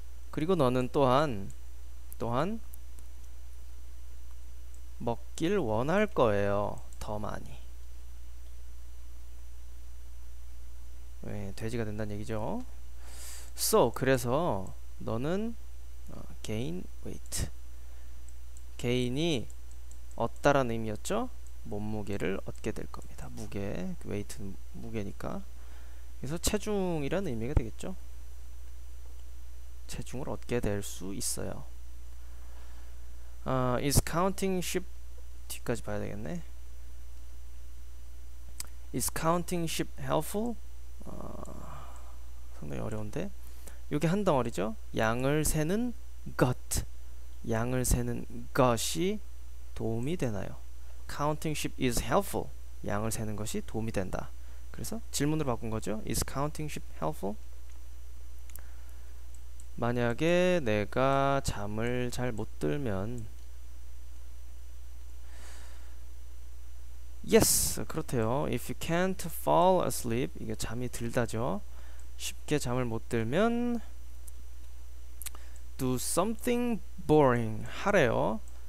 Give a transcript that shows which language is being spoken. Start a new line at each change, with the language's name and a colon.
Korean: 그리고 너는 또한 먹길 원할 거예요. 더 많이. 왜 돼지가 된다는 얘기죠?
English: So,
Korean: 그래서 너는
English: gain weight.
Korean: gain이 얻다라는 의미였죠? 몸무게를 얻게 될 겁니다. 무게, weight는 무게니까. 그래서 체중이라는 의미가 되겠죠? 체중을 얻게 될 수 있어요.
English: Is counting sheep
Korean: 뒤까지 봐야 되겠네.
English: Is counting sheep helpful?
Korean: 상당히 어려운데 이게 한 덩어리죠. 양을 세는 것. 양을 세는 것이 도움이 되나요?
English: Counting sheep is helpful.
Korean: 양을 세는 것이 도움이 된다. 그래서 질문으로 바꾼 거죠.
English: Is counting sheep helpful?
Korean: 만약에 내가 잠을 잘 못 들면 Yes, 그렇대요.
English: If you can't fall asleep,
Korean: 이게 잠이 들다죠. 쉽게 잠을 못 들면
English: Do something boring
Korean: 하래요.